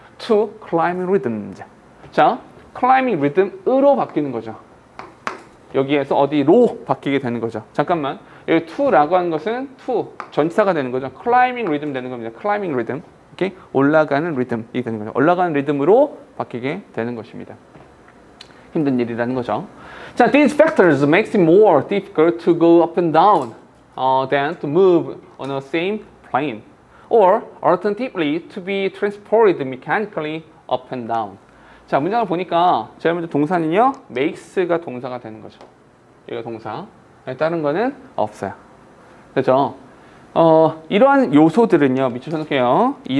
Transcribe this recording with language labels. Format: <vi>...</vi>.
<en>To climbing rhythm. 자, climbing rhythm으로</en> <ko>바뀌는 거죠. 여기에서 어디로 바뀌게 되는 거죠. 잠깐만, 여기 to라고 하는 것은 to, 전치사가 되는 거죠. climbing rhythm 되는 겁니다. climbing rhythm, 이렇게 올라가는 리듬이 되는 거죠. 올라가는 리듬으로 바뀌게 되는 것입니다. 힘든 일이라는 거죠.</ko> <en>자, these factors makes it more difficult to go up and down than to move on the same plane. Or alternatively, to be transported mechanically up and down.</en> <ko>자, 문장을 보니까 제일 먼저 동사는요, makes가 동사가 되는 거죠. 이거 동사. 다른 거는 없어요. 그렇죠? 이러한 요소들은요, 미처 생각해요.</ko>